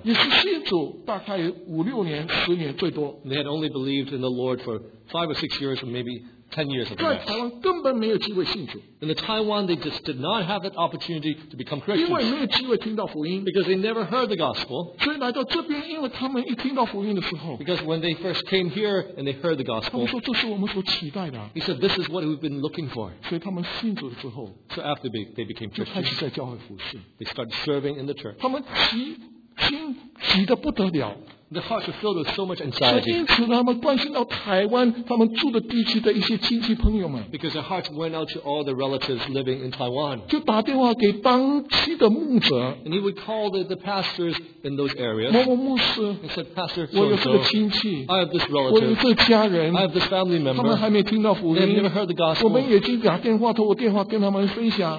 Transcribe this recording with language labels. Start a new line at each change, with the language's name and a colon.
Chinese: 也是信主大概五六年、十年最多。
English: They had only believed in the Lord for 5 or 6 years, or maybe 10 years.
Chinese: 在台湾根本没有机会信主。
English: In the Taiwan, they just did not have that opportunity to become Christians.
Chinese: 因为没有机会听到福音。
English: Because they never heard the gospel.
Chinese: 所以来到这边，因为他们一听到福音的时候。
English: Because when they first came here and they heard the gospel.
Chinese: 他们说这是我们所期待的。
English: He said, "This is what we've been looking for."
Chinese: 所以他们信主了之后。
English: So after they became Christians.
Chinese: 就开始在教会服事。
English: They started serving in the church.
Chinese: 他们心急得不得了。
English: The hearts are filled with so much anxiety.
Chinese: 因此他们关心到台湾他们住的地区的一些亲戚朋友们。
English: Because their hearts went out to all the relatives living in Taiwan.
Chinese: 就打电话给当地的牧者。
English: And he would call the pastors in those areas.
Chinese: 某某牧师。
English: He said, Pastor,
Chinese: 我有这个亲戚。
English: I have this relative.
Chinese: 我有这家人。
English: I have this family member.
Chinese: 他们还没听到福音。
English: They've never heard the gospel.
Chinese: 我们也去打电话，透过电话跟他们分享。